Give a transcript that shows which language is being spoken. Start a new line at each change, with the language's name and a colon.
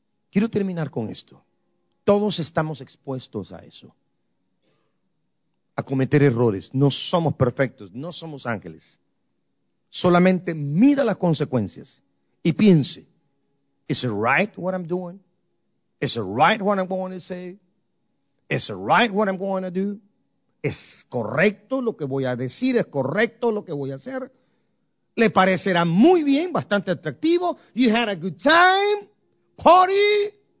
Spanish: Quiero terminar con esto. Todos estamos expuestos a eso. A cometer errores. No somos perfectos. No somos ángeles. Solamente mida las consecuencias y piense.
English: ¿Is it right what I'm doing? ¿Is it right what I'm going to say? ¿Is it right what I'm going to do?
Spanish: ¿Es correcto lo que voy a decir? ¿Es correcto lo que voy a hacer? ¿Le parecerá muy bien, bastante atractivo?
English: You had a good time, party.